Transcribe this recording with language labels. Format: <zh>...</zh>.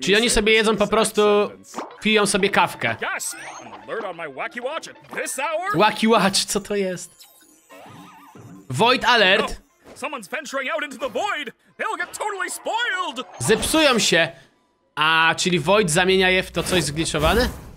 <pl>Czyli oni sobie jedzą po prostu, piją sobie kawkę.</pl> <en>Yes, alert on my Wacky Watch at this hour?</en> <pl>Wacky Watch, co to jest?</pl> <en>Void alert. No. Someone's venturing out into the void. They'll get totally spoiled.</en> <pl>Zepsują się. A, czyli Void zamienia je w to coś zgliczowane?</pl>